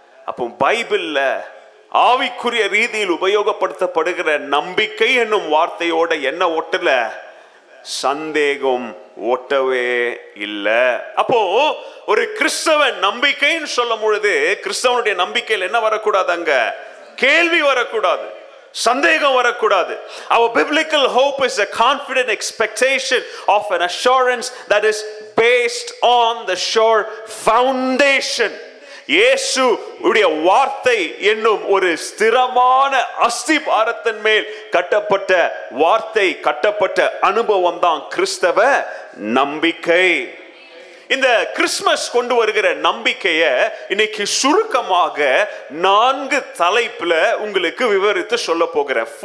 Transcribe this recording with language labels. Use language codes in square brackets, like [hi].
[ta] அப்போ பைபிள்ல ஆவிக்குரிய ரீதியில் உபயோகப்படுத்தப்படுகிற நம்பிக்கை என்னும் வார்த்தையோட என்ன ஒட்டல, சந்தேகம் ஒட்டவே இல்லை. அப்போ ஒரு கிறிஸ்தவ நம்பிக்கைன்னு சொல்லும் பொழுது கிறிஸ்தவனுடைய நம்பிக்கையில் என்ன வரக்கூடாது, அங்க கேள்வி வரக்கூடாது. சந்தேகம் வரக்கூடாது. [en] Our biblical hope is a confident expectation of an assurance that is based on the sure foundation. [ta] இயேசு உடைய வார்த்தை என்னும் ஒரு ஸ்திரமான அஸ்திபாரத்தின் மேல் கட்டப்பட்ட வார்த்தை, கட்டப்பட்ட அனுபவம் தான் கிறிஸ்தவ நம்பிக்கை. இந்த கிறிஸ்மஸ் கொண்டு வருகிற நம்பிக்கைய இன்னைக்கு சுருக்கமாக நான்கு தலைப்புல உங்களுக்கு விவரித்து சொல்ல போகிறேன்.